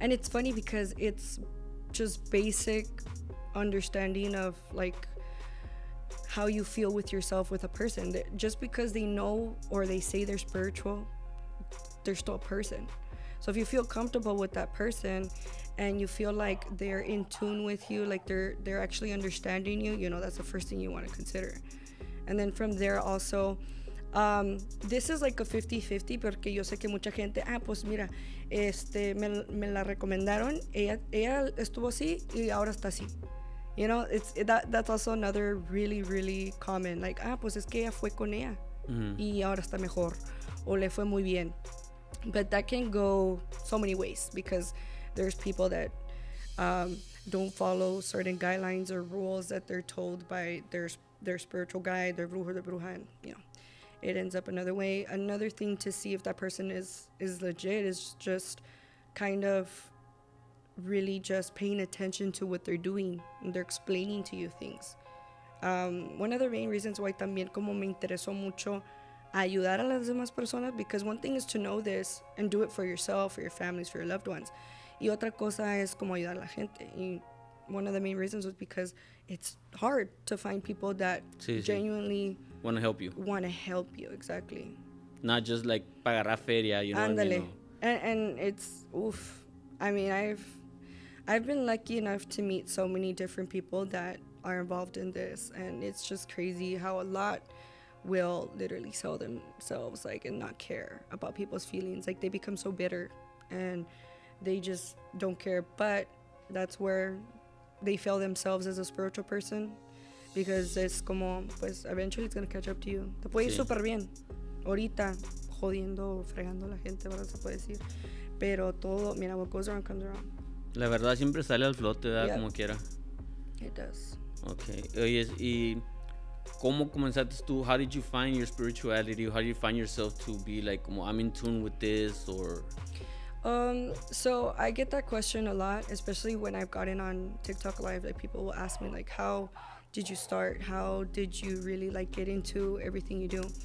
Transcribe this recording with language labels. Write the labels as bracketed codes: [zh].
[en] And it's funny because it's just basic understanding of, like, how you feel with yourself with a person. That just because they know or they say they're spiritual, they're still a person. So if you feel comfortable with that person and you feel like they're in tune with you, like they're actually understanding you, you know, that's the first thing you want to consider. And then from there also, this is like a 50-50, [es] porque yo sé que mucha gente, ah, pues mira, me la recomendaron, ella estuvo así y ahora está así. [en] You know, that's also another really, really common. [es] Like, ah, pues es que ella fue con ella. Mm-hmm. Y ahora está mejor. O le fue muy bien. [en] But that can go so many ways, because there's people that don't follow certain guidelines or rules that they're told by their spiritual guide, their brujo, their bruja, and, you know, it ends up another way. Another thing to see if that person is legit is just kind of really just paying attention to what they're doing, and they're explaining to you things. One of the main reasons why [es] también como me interesó mucho ayudar a las demás personas, [en] because one thing is to know this and do it for yourself, for your families, for your loved ones. [es] Y otra cosa es como ayudar a la gente. [en] And one of the main reasons was because it's hard to find people that genuinely want to help you. Want to help you, exactly. Not just like [es] pagar a feria, [en] you know. [es] Andale. [en] What I mean? And it's, oof. I mean, I've been lucky enough to meet so many different people that are involved in this, and it's just crazy how a lot will literally sell themselves, like, and not care about people's feelings. Like, they become so bitter and they just don't care. But that's where they fail themselves as a spiritual person, because it's [es] como, pues, [en] eventually it's gonna catch up to you. [es] Te puede ir súper bien ahorita jodiendo o fregando a la gente, ¿verdad? Se puede decir. Pero todo, mira, [en] what goes around comes around. [es] La verdad siempre sale al flote, ¿verdad? Yep. Como quiera. [en] It does. Okay. [es] Oye, y ¿cómo comenzaste tú? [en] How did you find your spirituality? How did you find yourself to be like, como, I'm in tune with this, or? So I get that question a lot, especially when I've gotten on TikTok Live. Like, people will ask me, like, how did you start? How did you really, like, get into everything you do?